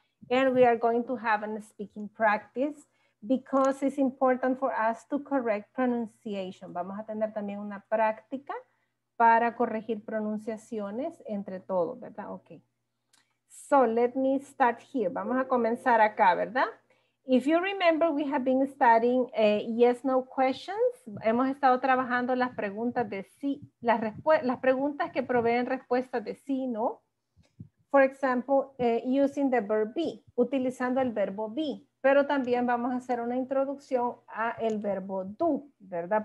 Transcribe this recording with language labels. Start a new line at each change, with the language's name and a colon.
English: And we are going to have a speaking practice because it's important for us to correct pronunciation.
Spanish: Vamos a tener también una práctica para corregir pronunciaciones entre todos, ¿verdad?
English: Ok. So let me start here.
Spanish: Vamos a comenzar acá, ¿verdad?
English: If you remember, we have been studying yes, no questions.
Spanish: Hemos estado trabajando las preguntas de sí, las preguntas que proveen respuestas de sí, ¿no? For example, using the verb be, utilizando el verbo be. Pero también vamos a hacer una introducción a el verbo do, ¿verdad?